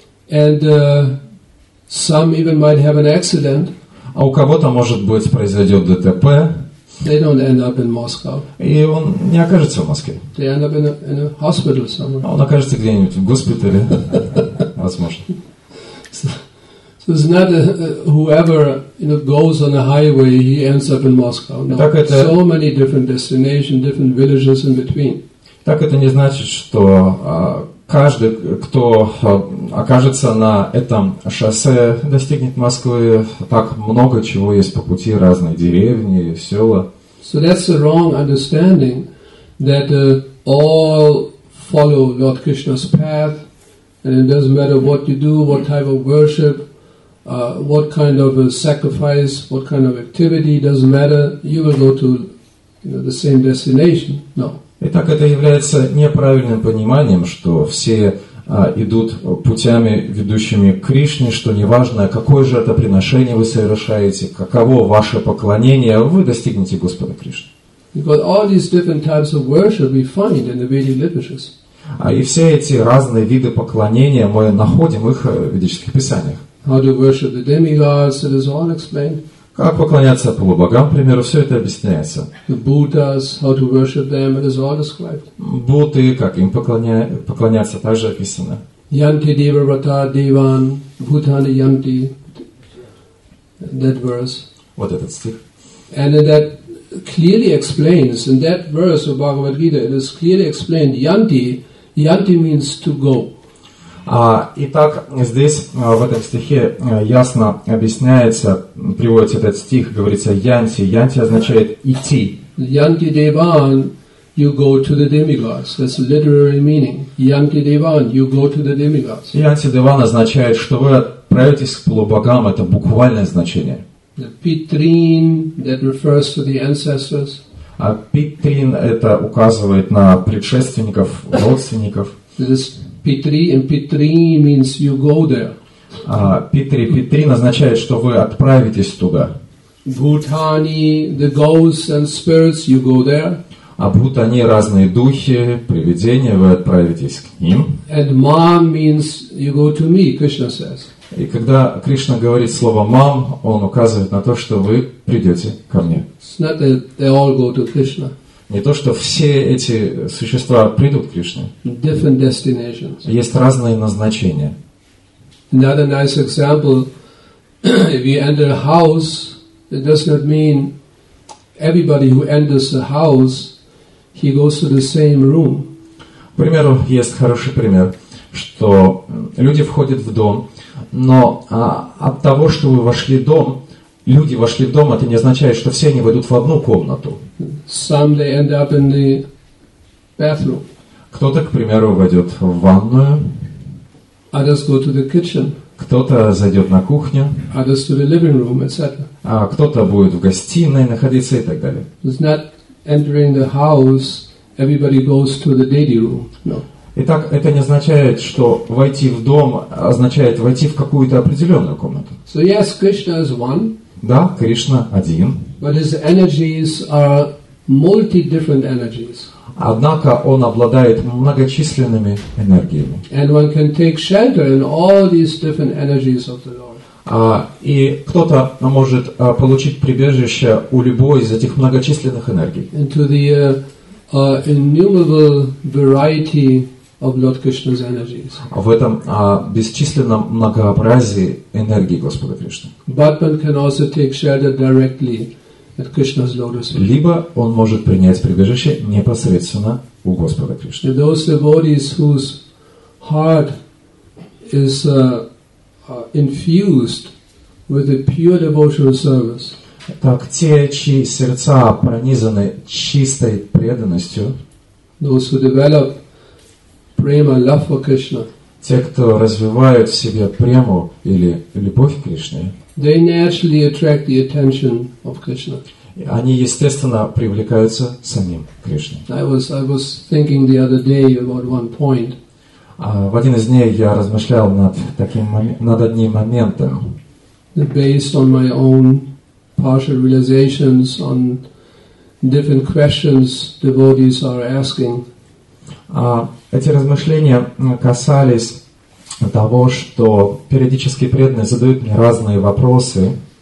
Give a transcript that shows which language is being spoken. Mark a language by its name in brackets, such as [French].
[English] No. Some even might have an accident. [Russian] А у кого-то может быть произойдет ДТП. [English] They don't end up in Moscow. [Russian] И он не окажется в Москве. [English] They end up in a hospital somewhere. [Russian] Он окажется где-нибудь в госпитале, возможно. [English] So it's not whoever goes on a highway, he ends up in Moscow. So many different destinations, different villages in between. [Russian] Так это не значит, что каждый, кто окажется на этом шоссе, достигнет Москвы. Так много чего есть по пути, разные деревни, села. [English] So that's the wrong understanding that all follow Lord Krishna's path, and it doesn't matter what you do, what type of worship, what kind of a sacrifice, what kind of activity, doesn't matter, you will go to the same destination. No. [Russian] Итак, это является неправильным пониманием, что все идут путями, ведущими к Кришне, что неважно, какое же это приношение вы совершаете, каково ваше поклонение, вы достигнете Господа Кришны. [English] Because all these different types of worship we find in the Vedic literatures. [Russian] И все эти разные виды поклонения мы находим их в ведических писаниях. [English] How to worship the demigods, it is all explained. [Russian] Как поклоняться полубогам, к примеру, все это объясняется. [English] The Buddhas, how to worship them, it is all described. [Russian] Будды, как им поклоняться, также описано. [Sanskrit] Yanti Deva Vrata Devan, Bhutani Yanti. [English] That verse. [Russian] Вот этот стих. [English] And that clearly explains, in that verse of Bhagavad Gita, it is clearly explained, Yanti, Yanti means to go. [Russian] Итак, здесь, в этом стихе, ясно объясняется, приводится этот стих, говорится «янти». «Янти» означает «идти». [English] «Янти деван» – «you go to the demigods». That's a literary meaning. «Янти деван» – «you go to the demigods». [Russian] «Янти деван» означает, что вы отправитесь к полубогам. Это буквальное значение. [English] The «питрин» – that refers to the ancestors. [Russian] А «питрин» – это указывает на предшественников, родственников. [English] Питри, and Питри means you go there. [Russian] Питри означает, что вы отправитесь туда. [English] Бхутани, the ghosts and spirits, you go there. [Russian] А Бхутани, разные духи, привидения, вы отправитесь к ним. [English] And Мам means you go to me, Krishna says. [Russian] И когда Кришна говорит слово Мам, он указывает на то, что вы придете ко мне. [English] It's not that they all go to Krishna. [Russian] Не то, что все эти существа придут к Кришне. [English] Different destinations. [Russian] Есть разные назначения. [English] Another nice example, if you enter a house, it does not mean everybody who enters a house, he goes to the same room. [Russian] К примеру, есть хороший пример, что люди входят в дом, но от того, что вы вошли в дом, люди вошли в дом, это не означает, что все они войдут в одну комнату. [English] Some they end up in the bathroom. [Russian] Кто-то, к примеру, войдет в ванную. [English] Others go to the kitchen. [Russian] Кто-то зайдет на кухню. [English] Others to the living room, etc. [Russian] А кто-то будет в гостиной находиться и так далее. [English] It's not entering the house, everybody goes to the daily room. No. [Russian] Итак, это не означает, что войти в дом означает войти в какую-то определенную комнату. [English] So yes, Krishna is one. [Russian] Да, Кришна один. [English] But his energies are multi-different energies. [Russian] Однако он обладает многочисленными энергиями. [English] And one can take shelter in all these different energies of the Lord. [Russian] И кто-то может получить прибежище у любой из этих многочисленных энергий. [English] Into the innumerable variety of Lord Krishna's energies. [Russian] В этом бесчисленном многообразии энергии Господа Кришны. [English] But one can also take shelter directly at Krishna's lotus feet. [Russian] Либо он может принять прибежище непосредственно у Господа Кришны. [English] And those devotees whose heart is infused with a pure devotional service. [Russian] Так те, чьи сердца пронизаны чистой преданностью. [English] Those who develop prema, love for Krishna. [Russian] Те, кто развивают в себе прему или любовь к Кришне. [English] They naturally attract the attention of Krishna. [Russian] Они естественно привлекаются самим Кришной. [English] I was thinking the other day about one point. [Russian] В один из дней я размышлял над одним моментом. [English] Based on my own partial realizations on different questions devotees are asking. [Russian] Эти размышления касались того, что периодически преданные задают мне разные вопросы.